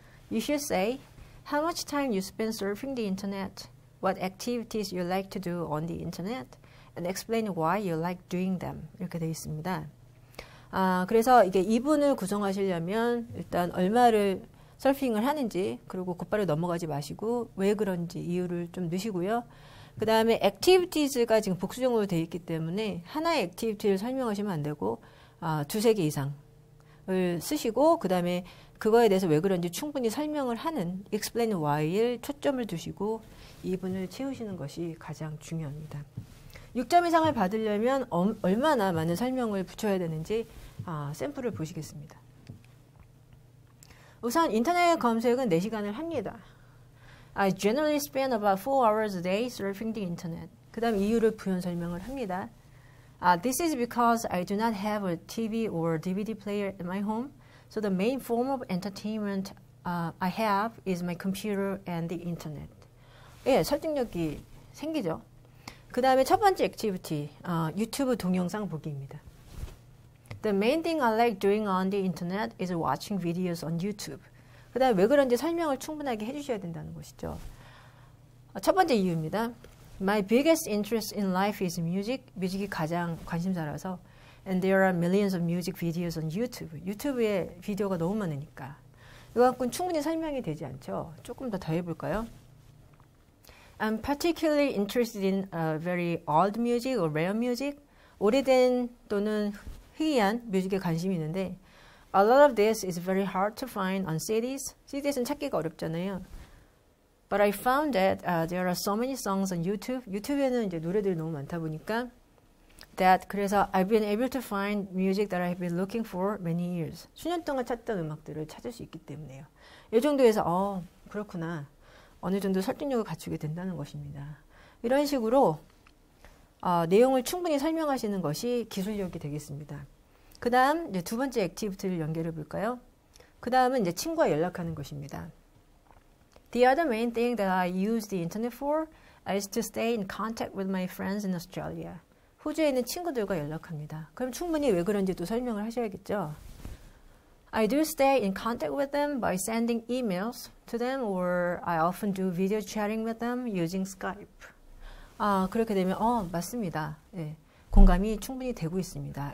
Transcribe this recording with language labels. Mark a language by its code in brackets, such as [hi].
[en] You should say, how much time you spend surfing the internet, what activities you like to do on the internet, and explain why you like doing them. [ko] 이렇게 되어 있습니다. 아, 그래서 이게 2분을 구성하시려면 일단 얼마를 서핑을 하는지, 그리고 곧바로 넘어가지 마시고 왜 그런지 이유를 좀 넣으시고요. 그 다음에 activities가 지금 복수형으로 되어 있기 때문에 하나의 activity를 설명하시면 안 되고 아, 두세 개 이상을 쓰시고 그 다음에 그거에 대해서 왜 그런지 충분히 설명을 하는 [en] explain why [ko] 를 초점을 두시고 2분을 채우시는 것이 가장 중요합니다. 6점 이상을 받으려면 얼마나 많은 설명을 붙여야 되는지 아, 샘플을 보시겠습니다. 우선 인터넷 검색은 4시간을 합니다. [en] I generally spend about 4 hours a day surfing the internet. [ko] 그 다음 이유를 부연 설명을 합니다. [en] This is because I do not have a TV or DVD player at my home. So the main form of entertainment I have is my computer and the internet. [ko] 예, 설득력이 생기죠. 그 다음에 첫 번째 액티비티, 유튜브 동영상 보기입니다. [en] The main thing I like doing on the internet is watching videos on YouTube. [ko] 그 다음에 왜 그런지 설명을 충분하게 해주셔야 된다는 것이죠. 첫 번째 이유입니다. [en] My biggest interest in life is music. [ko] 뮤직이 가장 관심사라서. [en] And there are millions of music videos on YouTube. [ko] 유튜브에 비디오가 너무 많으니까. 이거 갖고는 충분히 설명이 되지 않죠. 조금 더 해볼까요? [en] I'm particularly interested in very old music or rare music. [ko] 오래된 또는 희귀한 뮤직에 관심이 있는데 [en] A lot of this is very hard to find on CDs. [ko] CDs는 찾기가 어렵잖아요. [en] But I found that there are so many songs on YouTube. [ko] 유튜브에는 이제 노래들이 너무 많다 보니까 [en] that [ko] 그래서 [en] I've been able to find music that I've been looking for many years. [ko] 수년 동안 찾던 음악들을 찾을 수 있기 때문에요. 이 정도에서 그렇구나. 어느 정도 설득력을 갖추게 된다는 것입니다. 이런 식으로 내용을 충분히 설명하시는 것이 기술력이 되겠습니다. 그 다음 이제 두 번째 액티비티를 연결해 볼까요? 그 다음은 이제 친구와 연락하는 것입니다. [en] The other main thing that I use the internet for is to stay in contact with my friends in Australia. [ko] 호주에 있는 친구들과 연락합니다. 그럼 충분히 왜 그런지 또 설명을 하셔야겠죠? [en] I do stay in contact with them by sending emails to them or I often do video chatting with them using Skype. [ko] 아, 그렇게 되면 맞습니다. 예. 공감이 충분히 되고 있습니다.